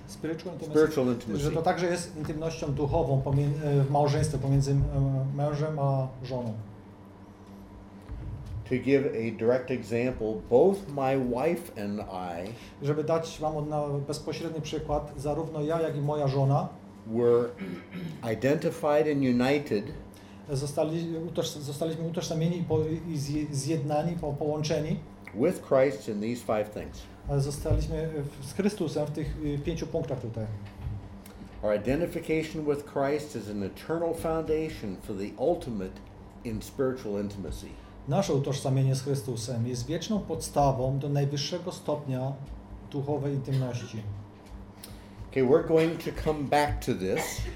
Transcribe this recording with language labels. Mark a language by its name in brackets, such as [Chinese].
[English] Spiritual intimacy. [Polish] Że to także jest intymnością duchową w małżeństwie pomiędzy mężem a żoną. [English] To give a direct example, both my wife and I, [Polish] żeby dać wam na bezpośredni przykład, zarówno ja, jak i moja żona, [English] were identified and united, [Polish] zostaliśmy utożsamieni i zjednani, połączeni, [English] with Christ in these five things. [Polish] Zostaliśmy z Chrystusem w tych pięciu punktach tutaj. [English] Our identification with Christ is an eternal foundation for the ultimate in spiritual intimacy. [Polish] Nasze utożsamienie z Chrystusem jest wieczną podstawą do najwyższego stopnia duchowej intymności. [English] Okay, we're going to come back to this.